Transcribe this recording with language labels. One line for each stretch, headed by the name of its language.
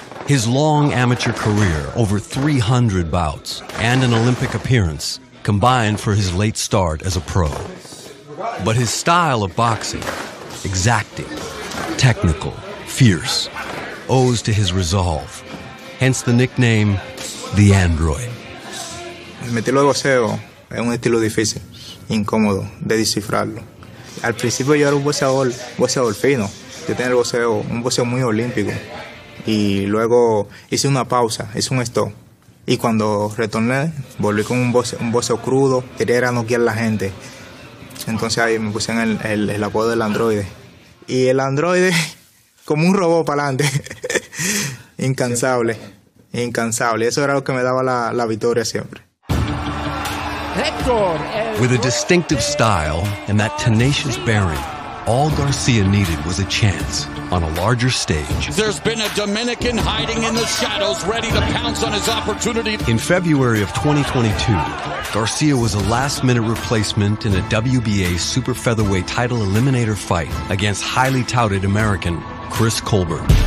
English: His long amateur career, over 300 bouts, and an Olympic appearance combined for his late start as a pro. But his style of boxing, exacting, technical, fierce, owes to his resolve, hence the nickname the Android.
Spanish: Mi estilo de boxeo es un estilo difícil, incómodo, de descifrarlo. Al principio yo era un boxeador fino. Yo tenía un boxeo muy olímpico. Y luego hice una pausa, hice un stop. Y cuando retorné, volví con un boxeo crudo. Quería era noquear a la gente. Entonces ahí me pusieron el apodo del androide. Y el androide, como un robot para adelante. Incansable. Eso era lo que me daba la victoria siempre.
English: Hector! With a distinctive style and that tenacious bearing, all Garcia needed was a chance on a larger stage. There's been a Dominican hiding in the shadows, ready to pounce on his opportunity. In February of 2022, Garcia was a last-minute replacement in a WBA super featherweight title eliminator fight against highly touted American Chris Colbert.